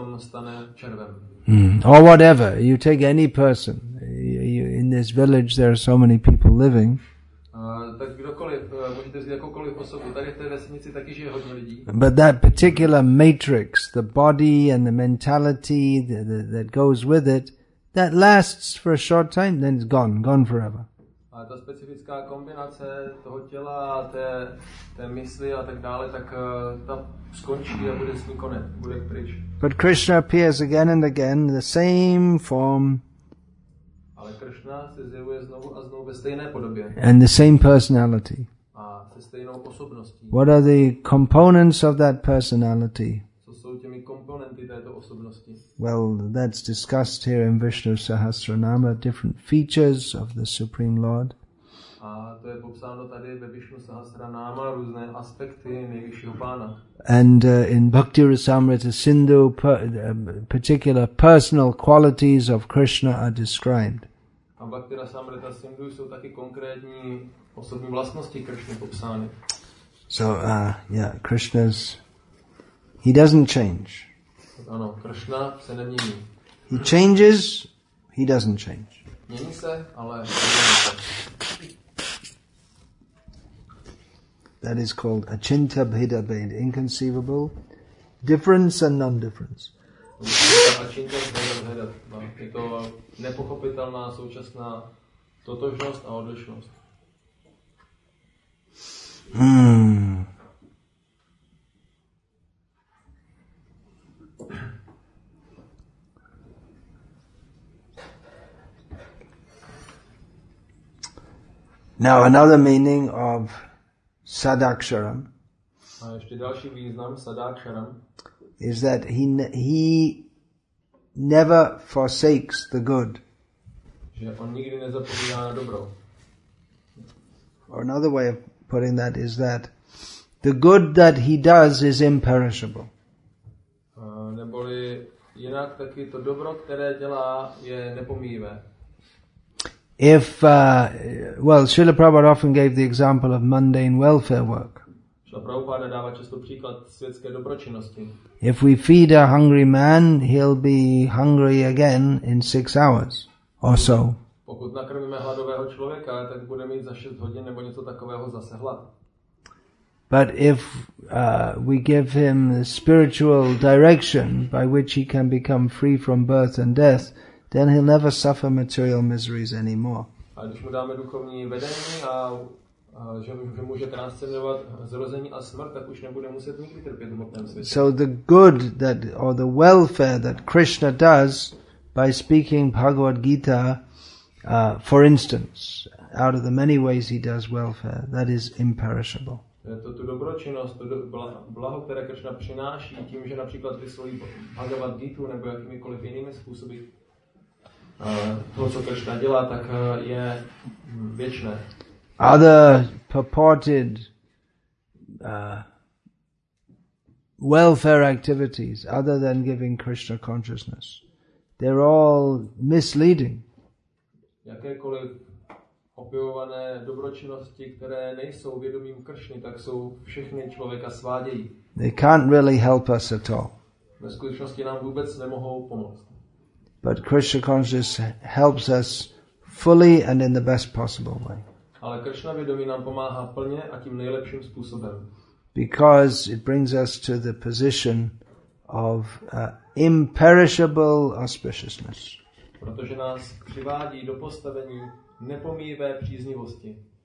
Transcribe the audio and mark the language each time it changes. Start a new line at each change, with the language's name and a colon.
English: Or whatever, you take any person. In this village there are so many people living.
Czech: Tak kdokoliv, můžete vzít jakoukoliv osobu, tady v té vesnici taky žije hodně lidí.
English: But that particular matrix, the body and the mentality that goes with it, that lasts for a short time, then it's gone forever.
Czech: A ta specifická kombinace toho těla, té mysli a tak dále, tak ta skončí a bude s ní konec, bude pryč.
English: But Krishna appears again and again, the same form.
Czech: Ale Krishna se zjevuje znovu a znovu ve stejné podobě.
English: And the same personality.
Czech: A se stejnou osobností.
English: What are the components of that personality?
Czech: Co jsou těmi komponenty této osobnosti?
English: Well, that's discussed here in Vishnu Sahasranama, different features of the Supreme Lord.
Czech: A to je popsáno tady ve Vishnu Sahasranama, různé aspekty nejvyššího pána.
English: And in Bhakti Rasamrita Sindhu, particular personal qualities of Krishna are described.
Czech: A Bhakti Rasamrita Sindhu jsou taky konkrétní osobní vlastnosti Krishna popsány.
English: So, Krishna's... He doesn't change.
Czech: Ano, Krishna se nemění.
English: He changes, he doesn't change.
Czech: Mění se, ale
English: that is called achinta bheda bheda, inconceivable difference and non-difference.
Czech: Achinta bheda bheda, je to nepochopitelná současná totožnost a odlišnost.
English: Now another meaning of sadaksharam.
Czech: A ještě další význam sadaksharam
English: is that he never forsakes the good.
Czech: Že on nikdy nezapomíná na dobro.
English: Or another way of putting that is that the good that he does is imperishable.
Czech: Neboli jinak taky to dobro, které dělá, je nepomíjivé.
English: If, well, Srila Prabhupada often gave the example of mundane welfare work.
Czech: Srila Prabhupada dává často příklad světské dobročinnosti.
English: If we feed a hungry man, he'll be hungry again in 6 hours or so.
Czech: Pokud nakrmíme hladového člověka, tak bude mít za 6 hodin nebo něco takového zase hlad.
English: But if we give him spiritual direction by which he can become free from birth and death, then he'll never suffer material miseries anymore.
Czech: A když mu dáme duchovní vedení a že může transcendovat zrození a smrt, tak už nebude muset nikdy trpět v hmotném světě.
English: So the good that or the welfare that Krishna does by speaking Bhagavad Gita, for instance, out of the many ways he does welfare, that is imperishable.
Czech: To tu dobročinnost, to blaho, které Krishna přináší tím, že například vysloví Bhagavad Gita nebo jakýmikoliv jinými způsoby. To, co Krishna dělá, tak je věčné.
English: Other purported welfare activities, other than giving Krishna consciousness, they're all misleading.
Czech: Jakékoliv opěvované dobročinnosti, které nejsou vědomím Krishny, tak jsou všechny člověka svádějí.
English: They can't really help us at all.
Czech: Ve skutečnosti nám vůbec nemohou pomoct.
English: But Krishna consciousness helps us fully and in the best possible way.
Czech: Ale Krishna vědomí nám pomáhá plně a tím nejlepším způsobem.
English: Because it brings us to the position of imperishable auspiciousness.
Czech: Protože nás přivádí do postavení nepomíjivé příznivosti.